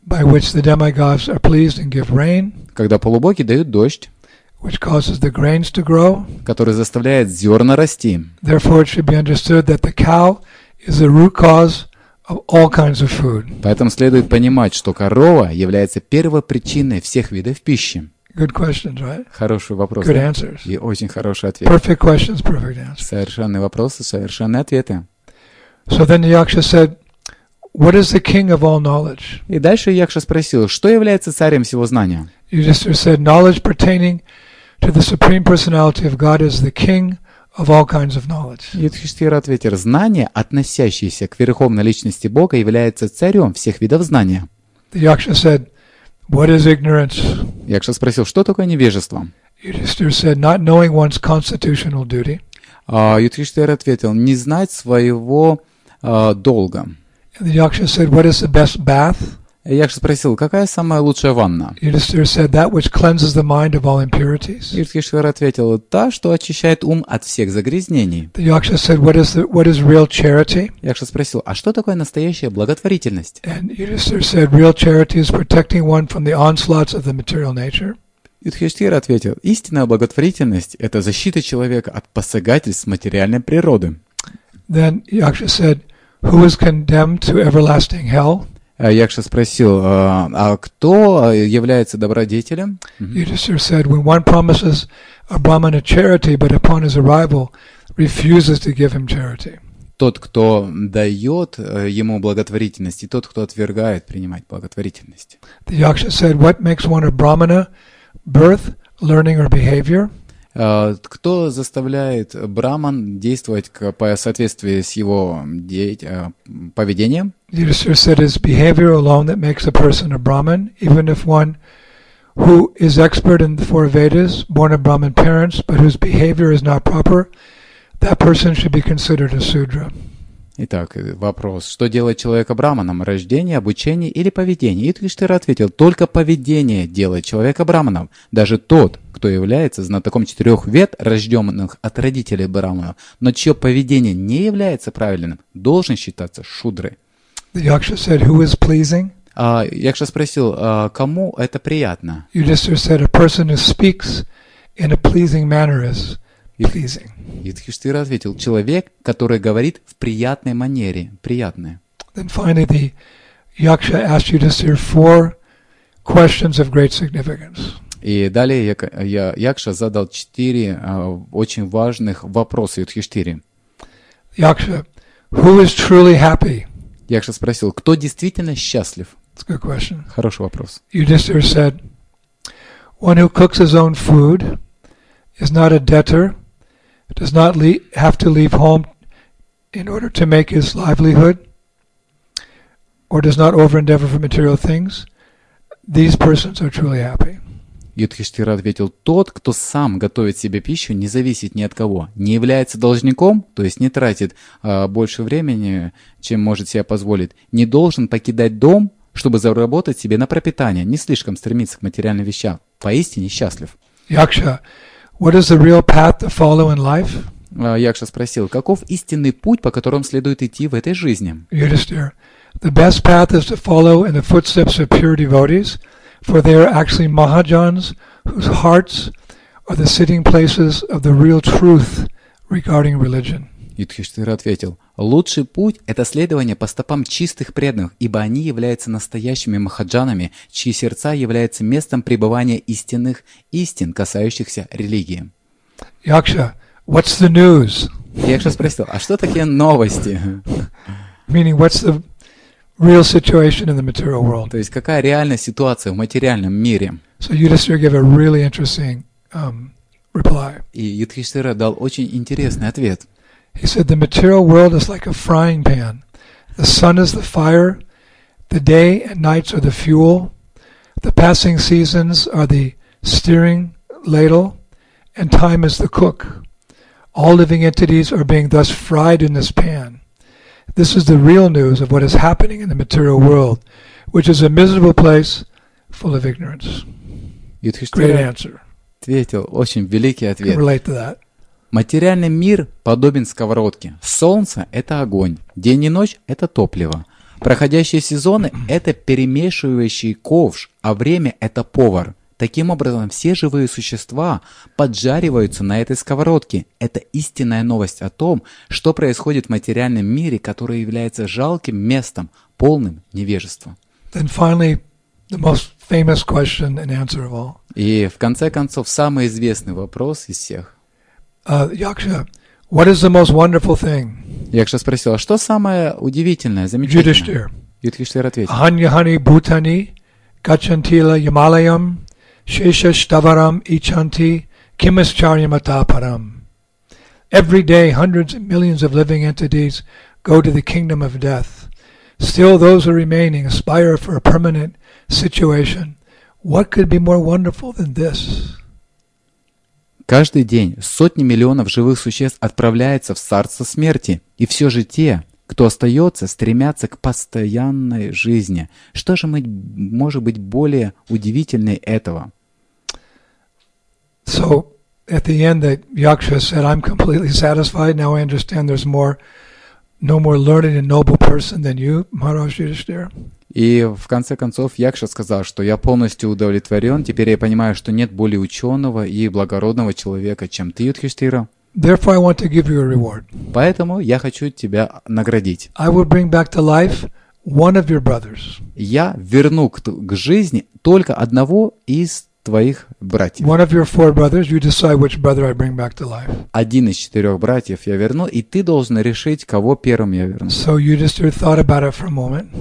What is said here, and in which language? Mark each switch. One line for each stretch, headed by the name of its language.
English: by which the demigods are pleased and give rain,
Russian: когда полубоги дают дождь,
English: which causes the grains to grow,
Russian: который заставляет зерна расти.
English: Therefore, it should be understood that the cow is the root cause of all kinds of food.
Russian: Поэтому следует понимать, что корова является первопричиной всех видов пищи.
English: Good questions, right?
Russian: Хороший вопрос.
English: Good answers.
Russian: И очень хороший ответ.
English: Perfect questions, perfect answers.
Russian: Совершенные вопросы, совершенные ответы.
English: So then the Yaksha said, what is the king of all knowledge?
Russian: И дальше Якша спросил, что является царем всего знания?
English: Yudhishthira said, knowledge pertaining to the supreme personality of God is the king of all kinds of knowledge.
Russian: Юдхиштхира ответил, знание, относящееся к верховной личности Бога, является царем всех видов знания.
English: The Yaksha said, what is ignorance?
Russian: Якша спросил, что такое невежество?
English: Юдхиштхира said, not knowing one's constitutional duty.
Russian: Юдхиштхира ответил, не знать своего долга.
English: And the Yaksha said, what is the best bath?
Russian: Якша спросил, какая самая лучшая ванна? Юдхиштхира ответил, та, что очищает ум от всех загрязнений.
English: Якша said, what is real charity?
Russian: Якша спросил, а что такое настоящая благотворительность?
English: And Yudhishthira said, real charity is protecting one from the onslaughts of the material nature.
Russian: Юдхиштхира ответил, истинная благотворительность – это защита человека от посягательств материальной природы.
English: Then Yaksha said, who is condemned to everlasting hell?
Russian: Якша спросил, а кто является добродетелем?
English: Yudhishthira said, when one promises a brahmin a charity, but upon his arrival refuses to give him charity.
Russian: Тот, кто дает ему благотворительность, и тот, кто отвергает принимать благотворительность.
English: The Yaksha said, what makes one a brahmana, birth, learning, or behavior?
Russian: Кто заставляет браман действовать по соответствии с его поведением?
English: Yudhishthira said, it's behavior alone that makes a person a brahman, even if one who is expert in the four Vedas, born of brahman parents, but whose behavior is not proper, that person should be considered a sudra.
Russian: Итак, вопрос, что делает человека браманом? Рождение, обучение или поведение? Юдхиштхира ответил, только поведение делает человека браманом. Даже тот, кто является знатоком четырех вед, рожденных от родителей браманов, но чье поведение не является правильным, должен считаться шудрой.
English: The Yaksha said, who is pleasing?
Russian: Якша спросил, кому это приятно?
English: Yudhishthira said, a person who speaks in a pleasing manner is pleasing.
Russian: Юдхиштхира ответил, человек, который говорит в приятной манере, приятное.
English: Then finally the Yaksha asked Yudhishthira four questions of great significance.
Russian: И далее Якша задал четыре очень важных вопроса Юдхиштхире.
English: Yaksha, who is truly happy?
Russian: Якша спросил, кто действительно счастлив?
English: It's a good question.
Russian: Хороший вопрос.
English: Yudhishthira said, one who cooks his own food is not a debtor, does not have to leave home in order to make his livelihood, or does not overendeavor for material things, these persons are truly happy.
Russian: Юдхиштхира ответил, тот, кто сам готовит себе пищу, не зависит ни от кого, не является должником, то есть не тратит больше времени, чем может себе позволить, не должен покидать дом, чтобы заработать себе на пропитание, не слишком стремиться к материальным вещам, поистине счастлив.
English: Yaksha, what is the real path to follow in life?
Russian: Якша спросил, каков истинный путь, по которому следует идти в этой жизни?
English: Yudhishthira, the best path is to follow in the footsteps of pure devotees, for they are actually Mahajans whose hearts are the sitting places of the real truth regarding religion.
Russian: Юдхиштхира ответил: «Лучший путь – это следование по стопам чистых преданных, ибо они являются настоящими махаджанами, чьи сердца являются местом пребывания истинных истин, касающихся религии».
English: Yaksha, what's the news?
Russian: Yaksha спросил: «А что такие новости?»
English: Meaning, what's the real situation in the material world?
Russian: То есть, какая реальная ситуация в материальном мире?
English: So Yudhishthira gave a really interesting reply.
Russian: И Юдхиштхира дал очень интересный ответ.
English: He said, the material world is like a frying pan. The sun is the fire. The day and nights are the fuel. The passing seasons are the steering ladle. And time is the cook. All living entities are being thus fried in this pan. This is the real news of what is happening in the material world, which is a miserable place full of ignorance. Great answer.
Russian: Ответил, очень великий ответ.
English: Can relate to that.
Russian: Материальный мир подобен сковородке. Солнце – это огонь. День и ночь – это топливо. Проходящие сезоны – это перемешивающий ковш, а время – это повар. Таким образом, все живые существа поджариваются на этой сковородке. Это истинная новость о том, что происходит в материальном мире, который является жалким местом, полным невежества.
English: Then finally, the most famous question and answer of all.
Russian: И в конце концов, самый известный вопрос из всех.
English: Yaksha, what is the most wonderful thing?
Russian: Yaksha спросил, а что самое удивительное, замечательное? Юдхиштхира ответил.
Sanskrit: Аханьяхани бутани гачантила ямалаям шеша штаварам ичанти кимасчарьямата парам.
English: Every day, hundreds and millions of living entities go to the kingdom of death. Still, those who remaining aspire for a permanent situation. What could be more wonderful than this?
Russian: Каждый день сотни миллионов живых существ отправляются в царство смерти, и все же те, кто остается, стремятся к постоянной жизни. Что же может быть более удивительной этого?
English: So, at the end, that Yaksha said, I'm completely satisfied. Now I understand there's more, no more learned and noble person than you, Maharaj Yudhishthira.
Russian: И в конце концов Якша сказал, что я полностью удовлетворен. Теперь я понимаю, что нет более ученого и благородного человека, чем ты, Юдхиштхира.
English: Therefore, I want to give you a reward.
Russian: Поэтому я хочу тебя наградить.
English: I will bring back to life one of your brothers.
Russian: Я верну к жизни только одного из твоих братьев.
English: One of your four brothers. You decide which brother I bring back to life.
Russian: Один из четырех братьев я верну, и ты должен решить, кого первым я верну.
English: So you just thought about it for a moment.